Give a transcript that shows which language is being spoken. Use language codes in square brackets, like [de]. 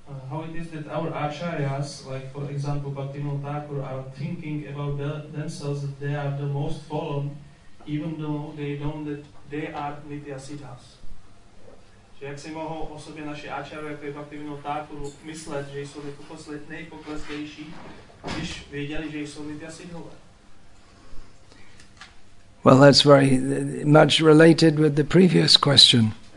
[en] How it is that our acharyas, like for example Bhaktivinoda Thakur, are thinking about themselves that they are the most fallen, even though they know that they are Nityasiddhas? [cs] Že jak si mohou o sobě naši acharya, jako je Bhaktivinoda Thakur, myslet, že jsou nejpokleslejší, když věděli, že jsou Nityasiddhové? [en] Well, that's very much related with the previous question.